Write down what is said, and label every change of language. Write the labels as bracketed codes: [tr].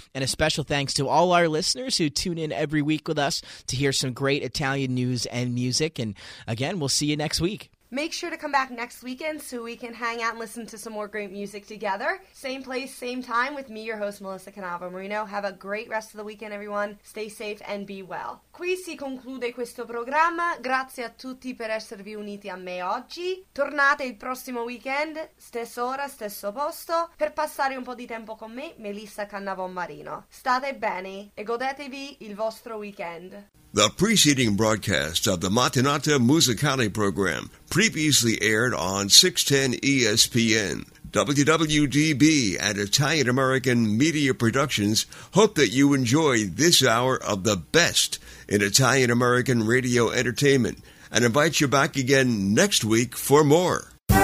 [en] And a special thanks to all our listeners who tune in every week with us to hear some great Italian news and music. And again, we'll see you next week. Make sure to come back next weekend so we can hang out and listen to some more great music together. Same place, same time with me, your host, Melissa Canava Marino. Have a great rest of the weekend, everyone. Stay safe and be well. [it] Qui si conclude questo programma. Grazie a tutti per esservi uniti a me oggi. Tornate il prossimo weekend, stessa ora, stesso posto, per passare un po' di tempo con me, Melissa Canava Marino. State bene e godetevi il vostro weekend. [en] The preceding broadcast of the Mattinata Musicale program previously aired on 610 ESPN. WWDB and Italian American Media Productions hope that you enjoy this hour of the best in Italian American radio entertainment and invite you back again next week for more.